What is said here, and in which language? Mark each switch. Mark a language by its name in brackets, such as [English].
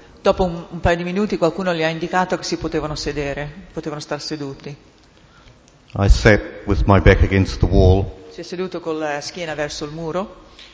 [Italian] Dopo un paio di minuti, qualcuno gli ha indicato che si potevano sedere, potevano star seduti. [English] I sat with my back against the wall. [Italian] Si è seduto con la schiena verso il muro.